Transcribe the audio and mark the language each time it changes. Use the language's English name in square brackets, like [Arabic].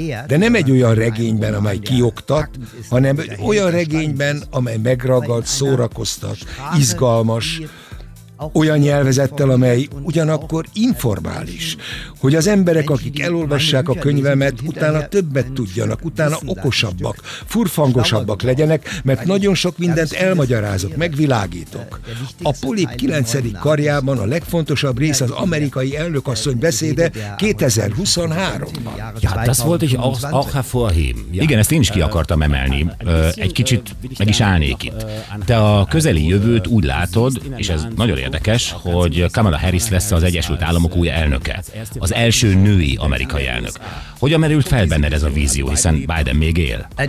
[Hungarian] De nem egy olyan regényben, amely kioktat, hanem egy olyan regényben, amely megragad, szórakoztat, izgalmas, olyan nyelvezettel, amely ugyanakkor informális, hogy az emberek, akik elolvassák a könyvemet, utána többet tudjanak, utána okosabbak, furfangosabbak legyenek, mert nagyon sok mindent elmagyarázok, megvilágítok. A Polip 9. karjában a legfontosabb rész az amerikai elnökasszony beszéde 2023-ban. [German] Ja, das wollte ich auch hervorheben. [Hungarian] Igen, ezt én is ki akartam emelni. Egy kicsit meg is állnék itt. Te a közeli jövőt úgy látod, és ez nagyon érdekes, hogy Kamala Harris lesz az Egyesült Államok új elnöke. Az első női amerikai elnök. Hogyan merült fel benned ez a vízió, hiszen Biden még él?